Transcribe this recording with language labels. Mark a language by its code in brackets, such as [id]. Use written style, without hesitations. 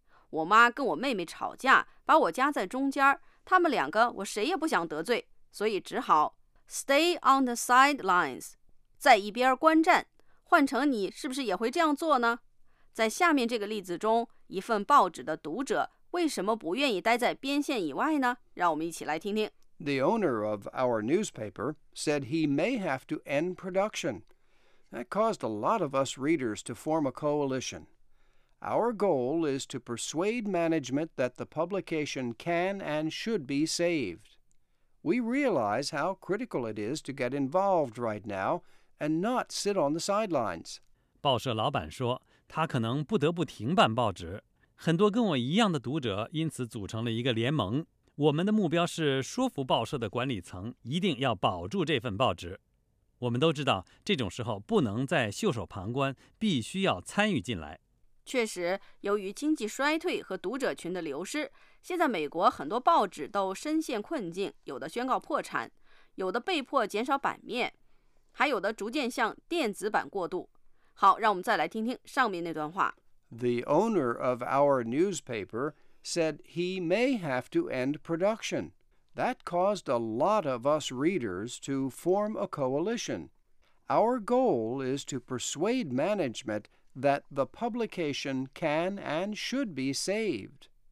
[zh] 我妈跟我妹妹吵架，把我夹在中间，他们两个我谁也不想得罪，所以只好 [en] stay on the sidelines, [zh] 在一边观战。换成你是不是也会这样做呢？在下面这个例子中，一份报纸的读者为什么不愿意待在边线以外呢？让我们一起来听听。 [en] The owner of our newspaper said he may have to end production. That caused a lot of us readers to form a coalition. Our goal is to persuade management that the publication can and should be saved. We realize how critical it is to get involved right now and not sit on the sidelines. [zh] 报社老板说，他可能不得不停办报纸。很多跟我一样的读者因此组成了一个联盟。我们的目标是说服报社的管理层一定要保住这份报纸。我们都知道，这种时候不能再袖手旁观，必须要参与进来。确实，由于经济衰退和读者群的流失，现在美国很多报纸都深陷困境，有的宣告破产，有的被迫减少版面，还有的逐渐向电子版过渡。好，让我们再来听听上面那段话。 [en] The owner of our newspaper said he may have to end production. That caused a lot of us readers to form a coalition. Our goal is to persuade management that the publication can and should be saved.